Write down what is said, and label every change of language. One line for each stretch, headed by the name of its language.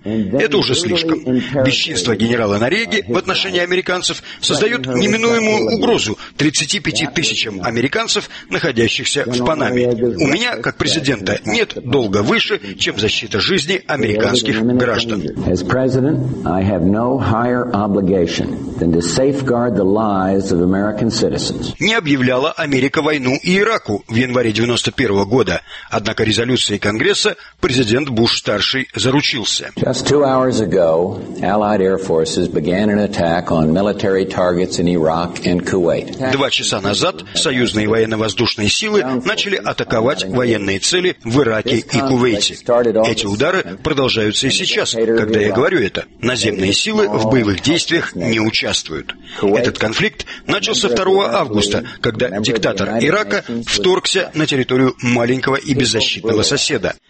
Russian: Это уже слишком. Бесчинство генерала Нориеги в отношении американцев создает неминуемую угрозу 35 тысячам американцев, находящихся в Панаме. У меня, как президента, нет долга выше, чем защита жизни американских граждан.
English: As president, I have no higher obligation than to safeguard the lives of American citizens.
Russian: Не объявляла Америка войну Ираку в январе 91 года. Однако резолюцией Конгресса президент Буш-старший заручился.
English: Just 2 hours ago, Allied Air Forces began an attack on military targets in Iraq and Kuwait.
Russian: 2 часа назад союзные военно-воздушные силы начали атаковать военные цели в Ираке и Кувейте. Эти удары продолжаются и сейчас, когда я говорю это. Наземные силы в боевых действиях не участвуют. Этот конфликт начался 2 августа, когда диктатор Ирака вторгся на территорию маленького и беззащитного соседа.